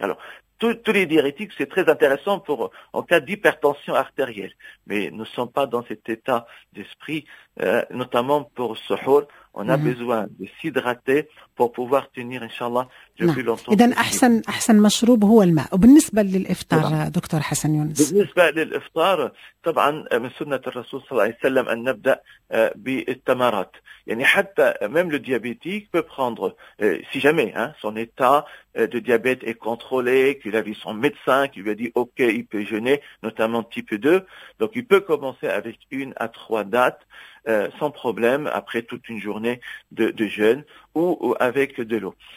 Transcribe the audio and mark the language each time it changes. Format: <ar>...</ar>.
<fr>Alors, tous les diurétiques, c'est très intéressant pour en cas d'hypertension artérielle. Mais nous ne sommes pas dans cet état d'esprit, notamment pour suhoor. On a besoin de s'hydrater pour pouvoir tenir, inshallah, depuis longtemps.</fr> <ar>إذن أحسن أحسن مشروب هو الماء. وبالنسبة للإفطار دكتور حسن يونس. بالنسبة للإفطار طبعا من سنة الرسول صلى الله عليه وسلم أن نبدأ بالتمرات. يعني حتى</ar> <fr>même le diabétique peut prendre si jamais hein, son état de diabète est contrôlé, qu'il a vu son médecin qui lui a dit OK, il peut jeûner, notamment type 2. Donc il peut commencer avec une à trois dattes sans problème après toute une journée de jeûne ou avec de l'eau.</fr>